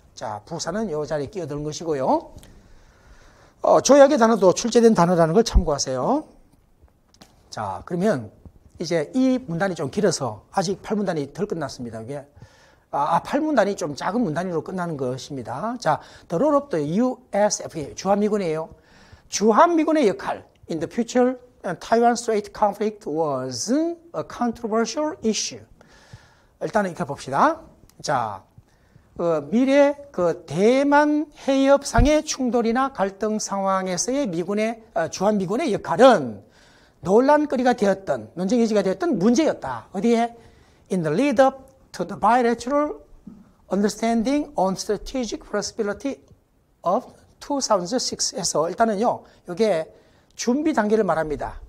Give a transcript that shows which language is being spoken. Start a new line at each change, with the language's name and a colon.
Korean: 자, 부사는 이 자리에 끼어드는 것이고요. 조약의 단어도 출제된 단어라는 걸 참고하세요. 자, 그러면 이제 이 문단이 좀 길어서 아직 8문단이 덜 끝났습니다. 이게 8문단이 좀 작은 문단으로 끝나는 것입니다.
English: 자, The role of the USF의
Korean: 주한미군이에요. 주한미군의 역할
English: in the future and Taiwan Strait conflict was a controversial issue.
Korean: 일단은 이렇게 봅시다. 자, 미래 그 대만 해협상의 충돌이나 갈등 상황에서의 미군의 주한미군의 역할은 논란거리가 되었던, 논쟁 의지가 되었던 문제였다.
English: 어디에? In the lead up to the bilateral understanding on strategic flexibility of 2006에서
Korean: 일단은요, 이게 준비 단계를 말합니다.